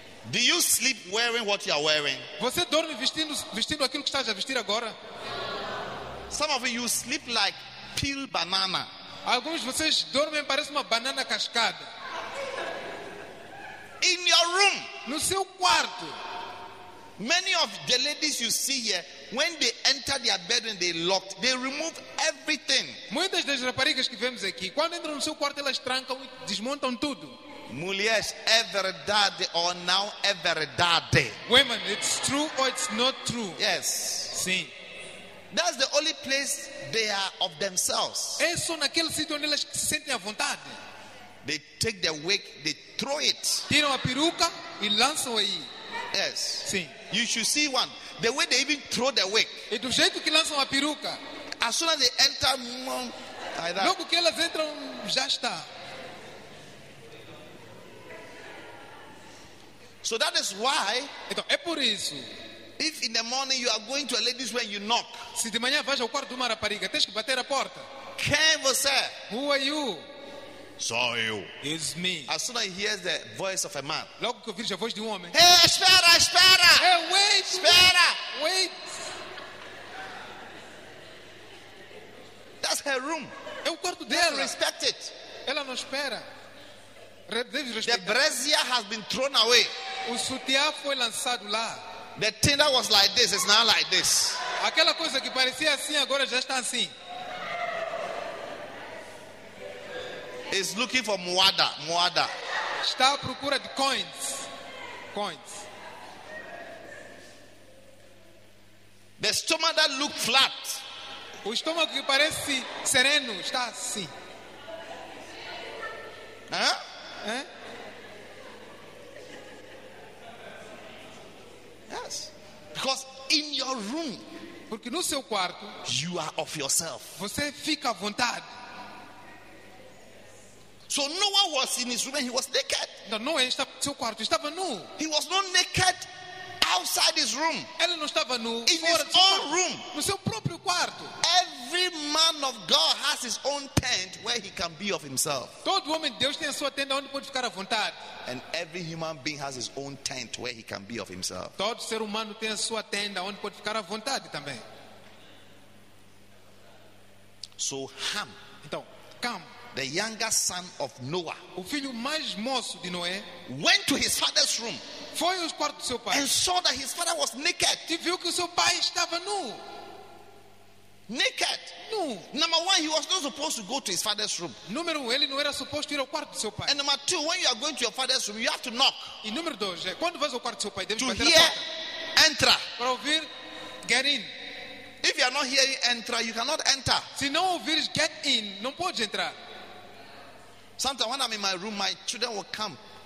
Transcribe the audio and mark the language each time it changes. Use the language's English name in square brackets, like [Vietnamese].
[English] Do you sleep wearing what you are wearing? [Portuguese] Você dorme vestindo aquilo que estás a vestir agora? [English] Some of you sleep like peel banana. [Portuguese] Alguns de vocês dormem parece uma banana cascada. [English] In your room. [Portuguese] No seu quarto. [English] Many of the ladies you see here, when they enter their bedroom, they lock, they remove everything. [Portuguese] Muitas das raparigas que vemos aqui, quando entram no seu quarto, elas trancam e desmontam tudo. Mulheres, é verdade ou não é verdade? [English] Women, it's true or it's not true? Yes. [Portuguese] Sim. [English] That's the only place they are of themselves. [Portuguese] É só naquele sítio onde elas se sentem à vontade. [English] They take their wig, they throw it. [Portuguese] Tiram a peruca e lançam aí. [English] Yes. [Portuguese] Sim. [English] You should see one. The way they even throw the wig. [Portuguese] E do jeito que lançam a peruca. [English] As soon as they enter, mom, like that. [Portuguese] Logo que elas entram, já está. [English] So that is why. [Portuguese] Então, é por isso. [English] If in the morning you are going to a lady's where you knock. [Portuguese] Se de manhã vais ao quarto de uma rapariga, tens que bater a porta. Quem você? [English] Who are you? [Portuguese] Sou eu. [English] It's me. As soon as he hears the voice of a man. [Portuguese] Logo que ouvir a voz de um homem. Hey, espera, espera. [English] Hey, wait. [Portuguese] Espera. [English] Wait. That's her room. [Portuguese] É o quarto dela. [English] Don't respect it. [Portuguese] Ela não espera. Deve respeitar. [English] The brazier has been thrown away. [Portuguese] O sutiã foi lançado lá. [English] The thing that was like this is now like this. [Portuguese] Aquela coisa que parecia assim agora já está assim. [English] Is looking for moada, moada. [Portuguese] Está à procura de coins. Coins. [English] The stomach that looked flat. [Portuguese] O estômago que parece sereno está assim. Hã? Huh? Hã? Huh? [English] Yes. Because in your room, [Portuguese] porque no seu quarto, [English] you are of yourself. [Portuguese] Você fica à vontade. [English] So Noah was in his room and he was naked. [Portuguese] No, Noah estava no seu quarto, estava nu. [English] He was not naked outside his room. [Portuguese] Ele não estava nu. [English] In his own room. [Portuguese] No seu próprio quarto. [English] Every man of God has his own tent where he can be of himself. [Portuguese] Todo homem de Deus tem sua tenda onde pode ficar à vontade. [English] And every human being has his own tent where he can be of himself. [Portuguese] Todo ser humano tem sua tenda onde pode ficar à vontade também. [English] So Ham. [Portuguese] Então, Cam. [English] The younger son of Noah. [Portuguese] O filho mais moço de Noé. [English] Went to his father's room. [Portuguese] Foi ao quarto do seu pai. [English] And saw that his father was naked. [Portuguese] E viu que o seu pai estava nu. [English] Naked. [Portuguese] Nu. [English] Number one, he was not supposed to go to his father's room. [Portuguese] Número um, ele não era suposto ir ao quarto do seu pai. [English] And number two, when you are going to your father's room, you have to knock. [Portuguese] E número dois, quando vais ao quarto do seu pai, deve bater a porta. [English] To hear, enter. [Portuguese] Para ouvir, [English] get in. If you are not hearing, enter, you cannot enter. [Portuguese] Se não ouvir, [English] get in, [Portuguese] não pode entrar. [English] Sometimes when I'm in my room, my children will come.